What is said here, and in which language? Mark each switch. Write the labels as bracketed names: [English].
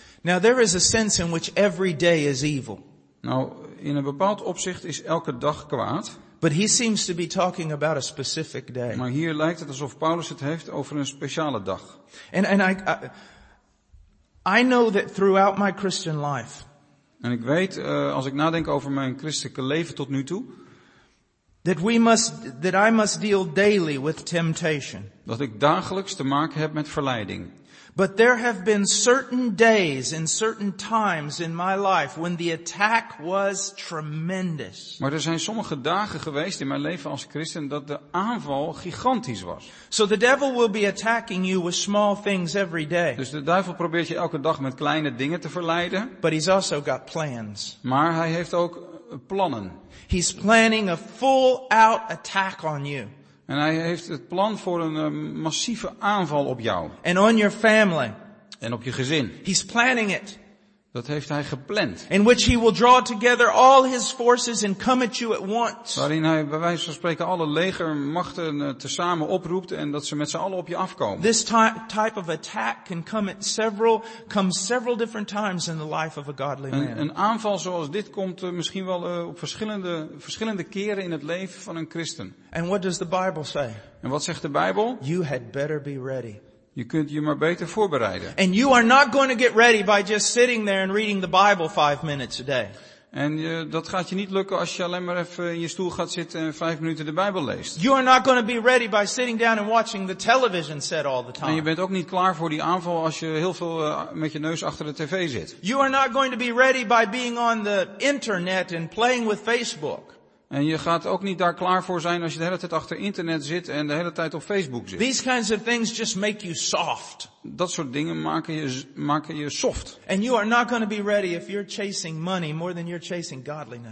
[English] Now there is a sense in which every day is evil. [Dutch] Nou, in een bepaald opzicht is elke dag kwaad. [English] But he seems to be talking about a specific day. [Dutch] Maar hier lijkt het alsof Paulus het heeft over een speciale dag. [English] And I know that throughout my Christian life. [Dutch] En ik weet als ik nadenk over mijn christelijke leven tot nu toe. [English] That I must deal daily with temptation. [Dutch] Dat ik dagelijks te maken heb met verleiding. [English] But there have been certain days and certain times in my life when the attack was tremendous. [Dutch] Maar er zijn sommige dagen geweest in mijn leven als christen dat de aanval gigantisch was. [English] So the devil will be attacking you with small things every day. [Dutch] Dus de duivel probeert je elke dag met kleine dingen te verleiden. [English] But he's also got plans. [Dutch] Maar hij heeft ook plannen. [English] He's planning a full out attack on you. [Dutch] En hij heeft het plan voor een massieve aanval op jou. [English] And on your family. [Dutch] En op je gezin. [English] He's planning it. [Dutch] Dat heeft hij gepland. [English] In which he will draw together all his forces and come at you at once. [Dutch] Waarin hij bij wijze van spreken alle legermachten tezamen oproept en dat ze met z'n allen op je afkomen. [English] This type of attack can come several different times in the life of a godly man. [Dutch] Een aanval zoals dit komt misschien wel op verschillende keren in het leven van een christen. [English] And what does the Bible say? [Dutch] En wat zegt de Bijbel? [English] You had better be ready. [Dutch] Je kunt je maar beter voorbereiden. [English] And you are not going to get ready by just sitting there and reading the Bible 5 minutes a day. [Dutch] En dat gaat je niet lukken als je alleen maar even in je stoel gaat zitten en 5 minuten de Bijbel leest. [English] You are not going to be ready by sitting down and watching the television set all the time. [Dutch] En je bent ook niet klaar voor die aanval als je heel veel met je neus achter de tv zit. [English] You are not going to be ready by being on the internet and playing with Facebook. [Dutch] En je gaat ook niet daar klaar voor zijn als je de hele tijd achter internet zit en de hele tijd op Facebook zit. [English] These kinds of things just make you soft. [Dutch] Dat soort dingen maken je soft. [English] And you are not going to be ready if you're chasing money more than you're chasing godliness.